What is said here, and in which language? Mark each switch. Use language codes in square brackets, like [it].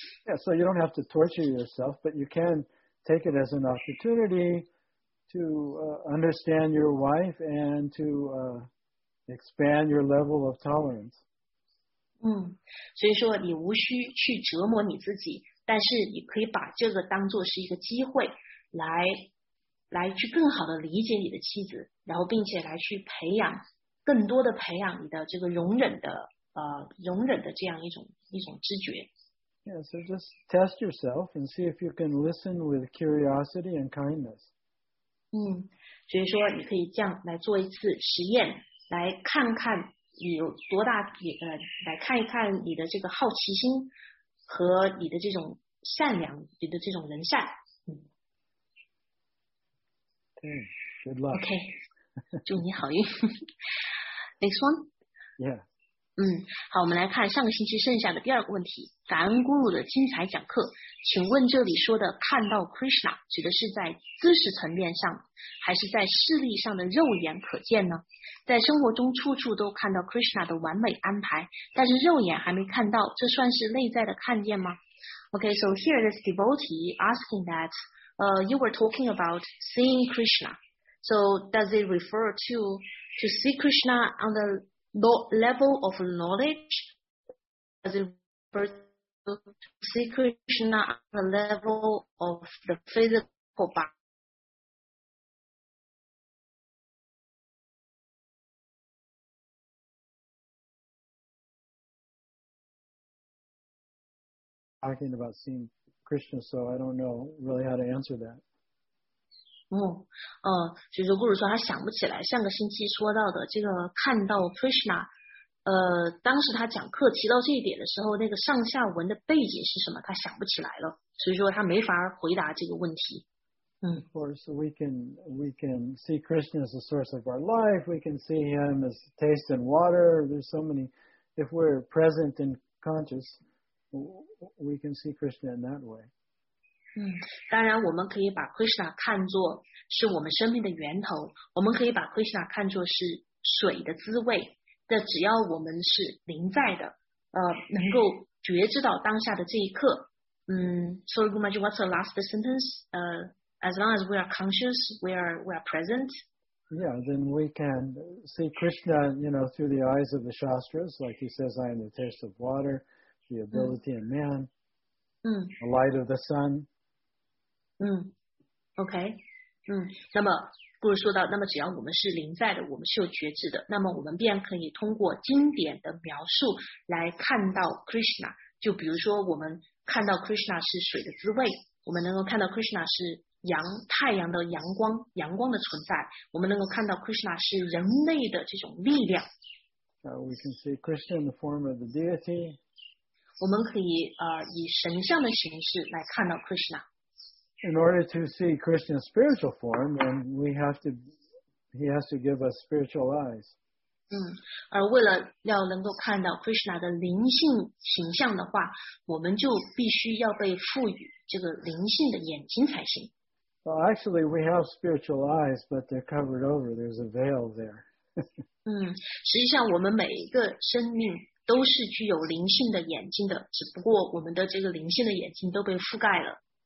[en] Yeah, so you don't have to torture yourself, but you can take it as an opportunity to understand your wife and to expand your level of tolerance. [zh] 所以说你无需去折磨你自己。但是你可以把这个当作是一个机会来去更好的理解你的妻子，然后并且来去培养更多的培养你的这个容忍的这样一种知觉。 [en] Yeah, so just test yourself and see if you can listen with curiosity and kindness. [zh] 所以说你可以这样来做一次实验，来看看你有多大，来看一看你的这个好奇心和你的这种善良，你的这种人善。 [en] Okay, good luck. [zh] Okay, 祝你好运。 [en] Next one? Yeah. [zh] 好，我们来看上个星期剩下的第二个问题。法恩姑鲁的精彩讲课，请问这里说的看到 Krishna 指的是在知识层面上，还是在视力上的肉眼可见呢？在生活中处处都看到 Krishna 的完美安排，但是肉眼还没看到，这算是内在的看见吗？ [en] Okay, so here this devotee asking that, you were talking about seeing Krishna. So does it refer to see Krishna on the level of knowledge? Does it refer to see Krishna on the level of the physical body? Talking about seeing Krishna, so I don't know really how to answer that. [zh] 就是Guru说他想不起来上个星期说到的这个看到 Krishna, 当时他讲课提到这一点的时候，那个上下文的背景是什么，他想不起来了，所以说他没法回答这个问题。 [en] Of course, we can see Krishna as the source of our life, we can see him as taste and water, there's so many, if we're present and conscious,we can see Krishna in that way. [zh] 当然我们可以把 Krishna 看作是我们生命的源头，我们可以把 Krishna 看作是水的滋味，但只要我们是临在的，能够觉知到当下的这一刻。 [en] Sorry, Gumaji, what's the last sentence? As long as we are conscious, we are present. Yeah, then we can see Krishna, you know, through the eyes of the Shastras, like he says, I am the taste of water. The ability of man, the light of the sun. Okay. [zh] 那么故事说到，那么只要我们是临在的，我们是有觉知的，那么我们便可以通过经典的描述来看到 Krishna. 就比如说我们看到 Krishna 是水的滋味，我们能够看到 Krishna 是太阳的阳光的存在，我们能够看到 Krishna 是人类的这种力量。 [en] We can see Krishna in the form of the deity. [zh] 我们可以以神像的形式来看到 Krishna. [en] In order to see Krishna's spiritual form, then he has to give us spiritual eyes. [zh] 而为了要能够看到 Krishna 的灵性形象的话，我们就必须要被赋予这个灵性的眼睛才行。 [en] Well, actually, we have spiritual eyes, but they're covered over. There's a veil there. [zh] 实际上我们每一个生命都是具有灵性的眼睛的，只不过我们的这个灵性的眼睛都被覆盖了。